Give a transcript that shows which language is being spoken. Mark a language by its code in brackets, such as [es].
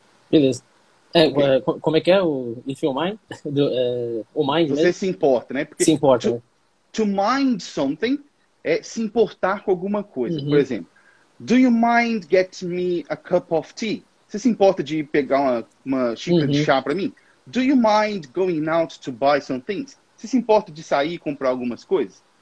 [pt] Beleza. Como é que é o [en] if you mind? [pt] O mind você mesmo? Se importa, né? Porque se importa. [en] To mind something [pt] é se importar com alguma coisa. Uhum. Por exemplo, [en] do you mind get me a cup of tea? [pt] Você se importa de pegar uma xícara uhum. de chá para mim? [en] Do you mind going out to buy some things? [pt] Você se importa de sair e comprar algumas coisas?